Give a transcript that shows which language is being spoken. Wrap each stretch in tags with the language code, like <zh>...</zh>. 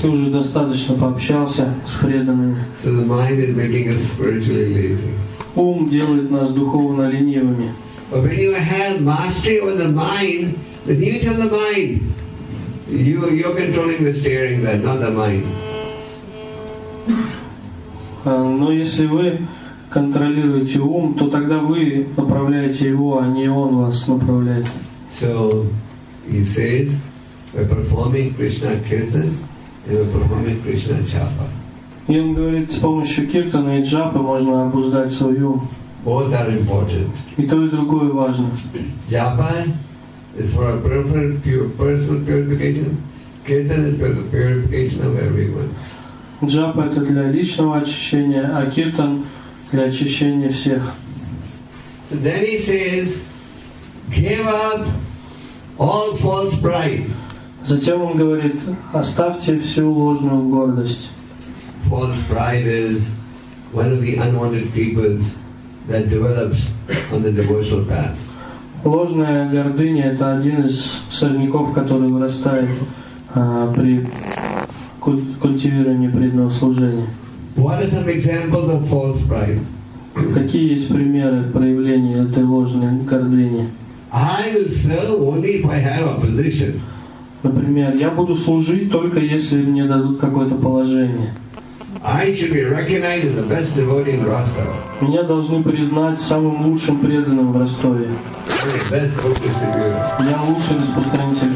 <ru>Ты уже достаточно пообщался с преданными.</ru> <en>So the mind is making us spiritually lazy.</en> <ru>Ум делает нас духовно ленивыми.</ru> <en>But when you have mastery over the mind, then you tell the mind. You're controlling the steering, then, not the mind.</en> <ru>Но если вы контролируете ум, то тогда вы направляете его, а не он вас направляет.</ru> <en>So he says, we're performing Krishna Kirtan and we're performing Krishna Japa.</en> <ru>И он говорит, с помощью киртана и джапы можно обуздать свою.</ru> <en>Both are important.</en> <ru>И то, и другое важно.</ru> <en>Japa is for a personal purification. Kirtan is for the purification of everyone.</en> <ru>Джапа — это для личного очищения, а киртан — для очищения всех.</ru> <en>So then he says, give up all false pride.</en> <ru>Затем он говорит, оставьте всю ложную гордость.</ru> <en>False pride is one of the unwanted peoples that develops on the devotional path.</en> <ru>Ложная гордыня — это один из сорняков, который вырастает при культивировании преданного служения.</ru> <en>What are some examples of false pride?</en> <ru>Какие есть примеры проявления этой ложной гордыни?</ru> <en>I will serve only if I have a position.</en> <ru>Например, я буду служить только если мне дадут какое-то положение.</ru> <en>I should be recognized as the best devotee in Rostov.</en> <ru>Меня должны признать самым лучшим преданным в Ростове. Я лучший распространитель</ru>